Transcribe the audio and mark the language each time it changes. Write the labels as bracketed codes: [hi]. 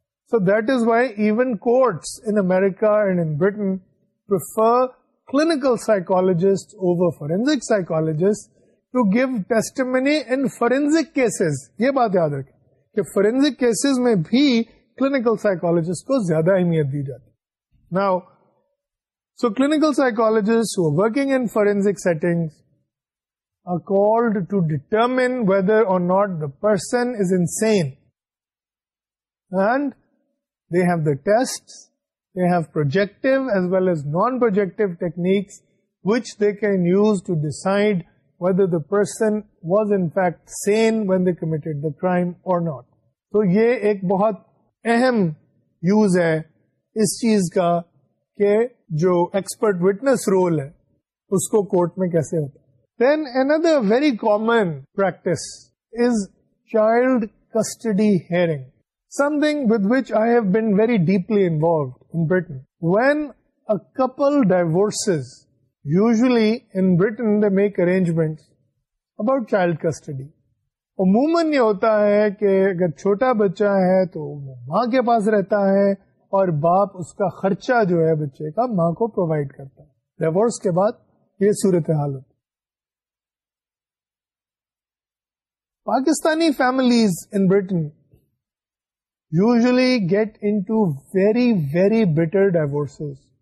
[en] So that is why even courts in America and in Britain prefer clinical psychologist over forensic psychologist to give testimony in forensic cases. [ur] یہ بات یاد رکھیں, forensic cases میں بھی clinical psychologist کو زیادہ اہمیت دی جاتی. [en] Now so clinical psychologist who working in forensic settings are called to determine whether or not the person is insane, and they have the tests, they have projective as well as non projective techniques which they can use to decide whether the person was in fact sane when they committed the crime or not. [ur] So, یہ ایک بہت اہم use ہے اس چیز کا کہ جو expert witness role ہے اس کو کورٹ میں کیسے ہوتا. [en] Then another very common practice is child custody hearing, something with which I have been very deeply involved in Britain. When a couple divorces, usually in Britain they make arrangements about child custody. [ur] عموماً یہ ہوتا ہے کہ اگر چھوٹا بچہ ہے تو ماں کے پاس رہتا ہے اور باپ اس کا خرچہ جو ہے بچے کا ماں کو پرووائڈ کرتا ہے. ڈیورس کے بعد یہ صورتحال ہوتی. [en] Pakistani families in Britain usually get into very, very bitter divorces.